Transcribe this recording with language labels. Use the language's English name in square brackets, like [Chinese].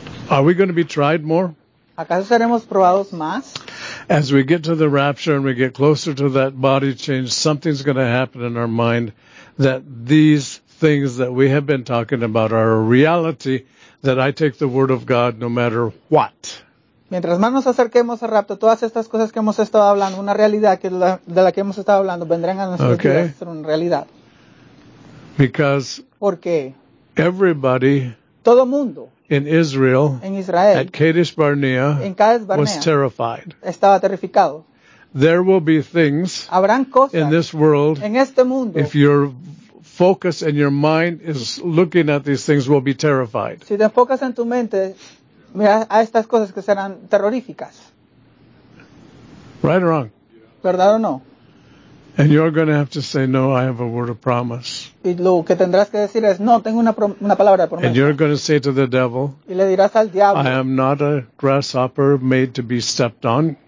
[English] Are we going to be tried more? [Spanish] ¿Acaso seremos probados más? [English] As we get to the rapture and we get closer to that body change, something's going to happen in our mind that these things that we have been talking about are a reality that I take the word of God no matter what. [Spanish] Mientras más nos acerquemos al rapto, todas estas cosas que hemos estado hablando, una realidad que la, de la que hemos estado hablando, vendrán a nuestras [English] okay. [Spanish] vidas a ser una realidad. [English] Because [Spanish] porque [English] everybody [Spanish] todo mundo [English] in Israel, [Spanish] en Israel, [English] at Kadesh Barnea, [Spanish] en Kadesh Barnea, [English] was terrified. [Spanish] Estaba terrificado. [English] There will be things [Spanish] habrán cosas [English] in this world, [Spanish] en este mundo, [English] if your focus and your mind is looking at these things, will be terrified. [Spanish] Si te enfocas en tu mente, mira a estas cosas que serán terroríficas. [English] Right or wrong? [Spanish] ¿Verdad o no? [English] And you're going to have to say, no, I have a word of promise. [Spanish] Y lo que tendrás que decir es, no, tengo una palabra de promesa. [English] And you're going to say to the devil, [Spanish] y le dirás al diablo, [English] I am not a grasshopper made to be stepped on